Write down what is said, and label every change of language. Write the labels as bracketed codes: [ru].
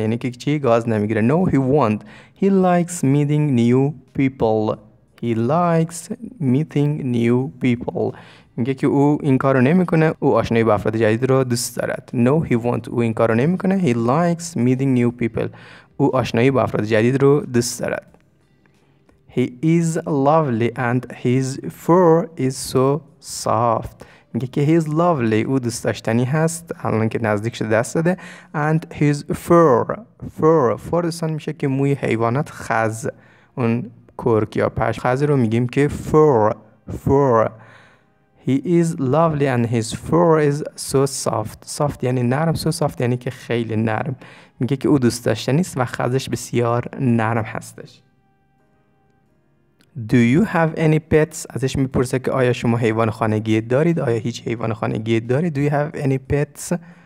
[fa] یعنی که چی؟ گاز نمیگیره. [en] No, he won't. He likes meeting new people. He likes meeting new people. [fa] میگه که او این کار رو نمی کنه. او آشنایی با افراد جدید رو دوست دارد. [en] No, he won't. [fa] او این کار رو نمی کنه. [en] He likes meeting new people. [fa] او آشنایی با افراد جدید رو دوست دارد. [en] He is lovely and his fur is so soft. [fa] میگه که [en] he's lovely, [fa] او دوست داشتنی هست, الان که نزدیک شده دست داده. [en] And his fur [fa] دوستان میشه که موی حیوانات, خز, اون کرک یا پشم, خز رو میگیم که fur. [en] He is lovely and his fur is so soft. [fa] Soft یعنی نرم, so soft یعنی که خیلی نرم. میگه که او دوست داشتنیست و خزش بسیار نرم هستش. [en] Do you have any pets? [fa] ازش میپرسه که آیا شما حیوان خانگی دارید؟ آیا هیچ حیوان خانگی دارید؟ [en] Do you have any pets?